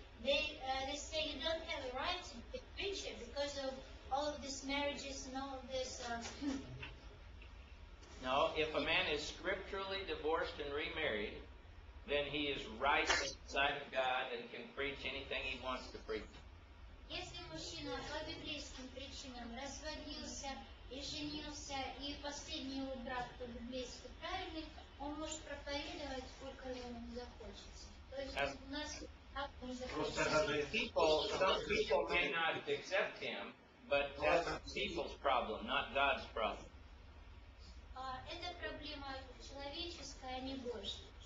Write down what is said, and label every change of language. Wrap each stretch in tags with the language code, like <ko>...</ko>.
<en>They say you don't have a right to be a preacher because of all of these marriages and all of this. No, if a man is scripturally divorced and remarried, then he is right in the sight of God and can preach anything he wants to preach.</en> <ru>Если мужчина по библейским причинам разводился и женился, и последний его брак по библейски правильный, он может проповедовать сколько ему захочется. То есть у нас так захочется.</ru> <en>Some people may not accept him, but that's people's problem, not God's problem.</en> <ru>Это проблема человеческая, а не Божья.</ru>